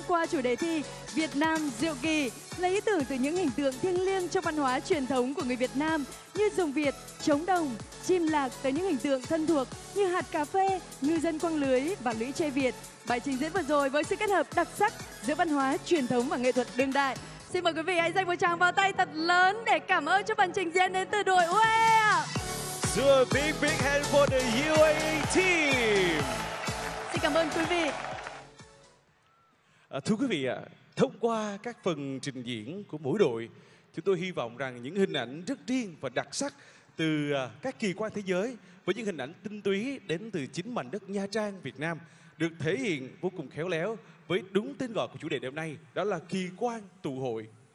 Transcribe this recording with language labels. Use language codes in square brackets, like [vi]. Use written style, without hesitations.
[vi] Chủ đề thi Việt Nam diệu kỳ lấy ý tưởng từ những hình tượng thiêng liêng trong văn hóa truyền thống của người Việt Nam như rồng Việt, trống đồng, chim lạc tới những hình tượng thân thuộc như hạt cà phê, ngư dân quăng lưới và lũy tre Việt. Bài trình diễn vừa rồi với sự kết hợp đặc sắc giữa văn hóa truyền thống và nghệ thuật đương đại. Xin mời quý vị hãy dành một tràng vỗ tay thật lớn để cảm ơn cho bản trình diễn đến từ đội UAE. [en] So a big big hand for the UAE team. [vi] Xin cảm ơn quý vị. Thưa quý vị ạ, thông qua các phần trình diễn của mỗi đội, chúng tôi hy vọng rằng những hình ảnh rất riêng và đặc sắc từ các kỳ quan thế giới với những hình ảnh tinh túy đến từ chính mảnh đất Nha Trang Việt Nam được thể hiện vô cùng khéo léo với đúng tên gọi của chủ đề đêm nay, đó là kỳ quan tụ hội.